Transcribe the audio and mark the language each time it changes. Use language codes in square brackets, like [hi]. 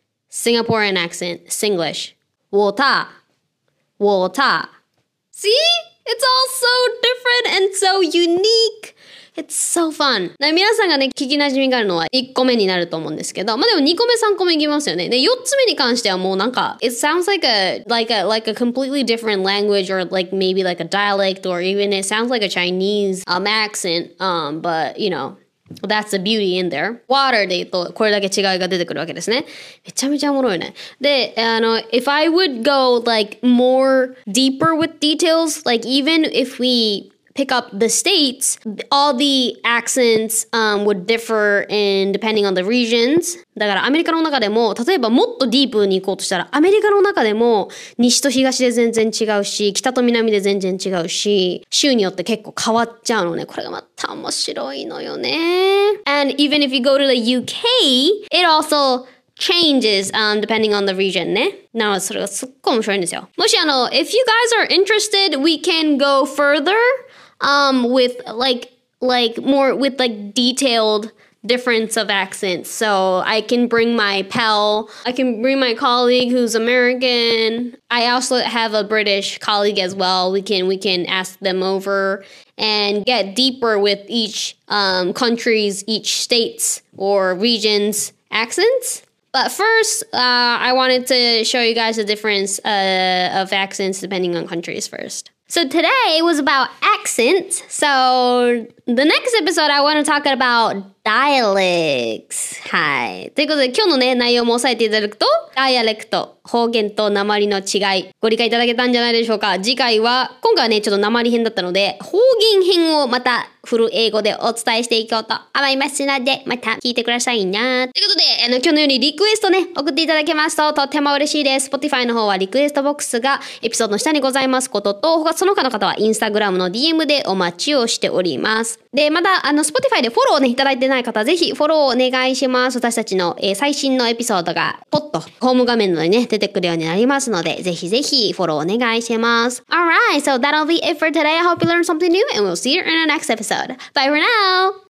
[en] Singaporean accent. Singlish. Water. Water. See? It's all so different and so unique. It's so fun. [ja] 皆さんがね、聞きなじみがあるのは1個目になると思うんですけど、まあでも2個目、3個目いきますよね。で、4つ目に関してはもうなんか、 [en] It sounds like a completely different language or like maybe like a dialect or even it sounds like a Chinese accent, but you know. Well, that's the beauty in there. [ja] Water で言うとこれだけ違いが出てくるわけですね。めちゃめちゃおもろいね。 [en] で、if I would go like more deeper with details, like even if we pick up the states, all the accents would differ in depending on the regions. [ja] だからアメリカの中でも、例えばもっとディープに行こうとしたら、アメリカの中でも西と東で全然違うし、北と南で全然違うし、州によって結構変わっちゃうのね。これがまた面白いのよね。 [en] And even if you go to the UK, it also changes depending on the region, ね。 [ja] なのでそれがすっごい面白いんですよ。 [en] もしif you guys are interested, we can go further. With like more with like detailed difference of accents. So I can bring my pal, I can bring my colleague who's American. I also have a British colleague as well. We can ask them over and get deeper with each country's, each state's or region's accents. But first, I wanted to show you guys the difference of accents depending on countries first. So today was about accents. So the next episode, I want to talk about dialects. [ja] はい。ということで、今日のね、内容も押さえていただくと、ダイアレクト、方言と訛りの違い、ご理解いただけたんじゃないでしょうか。次回は、今回はね、ちょっと訛り編だったので、方言編をまた、フル英語でお伝えしていこうと思いますので、また聞いてくださいな。ということで、今日のようにリクエストね、送っていただけますととっても嬉しいです。 Spotify の方はリクエストボックスがエピソードの下にございますことと、その他の方は Instagram の DM でお待ちをしております。で、まだ Spotify でフォローね、いただいてない方、ぜひフォローお願いします。私たちの、最新のエピソードが、ポッとホーム画面のにね、出てくるようになりますので、ぜひぜひフォローお願いします。 [en] Alright, so that'll be it for today. I hope you learned something new and we'll see you in the next episode.Bye for now!